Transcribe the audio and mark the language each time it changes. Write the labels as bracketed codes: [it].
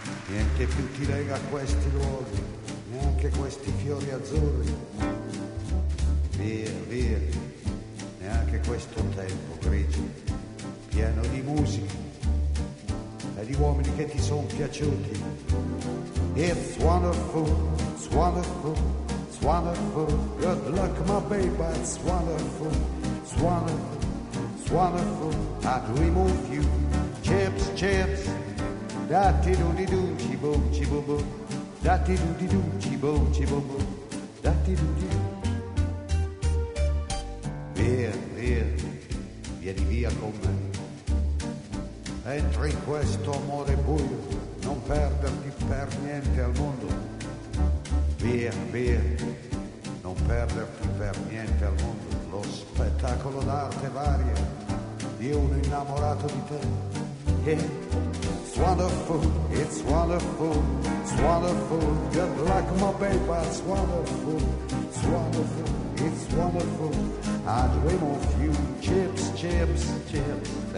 [it] Niente più ti lega a questi luoghi, neanche questi fiori azzurri. Via, via, neanche questo tempo grigio, pieno di musica e di uomini che ti son piaciuti. [en] It's wonderful, it's wonderful, it's wonderful. Good luck, my baby, it's wonderful, it's wonderful, it's wonderful. I dream of you, chips, chips. Da-dee-doo-dee-doo, chee-boom, chee-boom-boom. Da-dee-doo-dee-doo, chee-boom, chee-boom-boom. Da-dee-doo-dee-doo. [it] Vieni, vieni, vieni via con me. Entri in questo amore buio, non perderti per niente al mondo. Vieni, vieni, non perderti per niente al mondo. Lo spettacolo d'arte varia di uno innamorato di te. [en] It's wonderful, it's wonderful, it's wonderful. Good luck, my baby, it's wonderful, it's wonderful, it's wonderful. I dream of you, chips, chips, chips.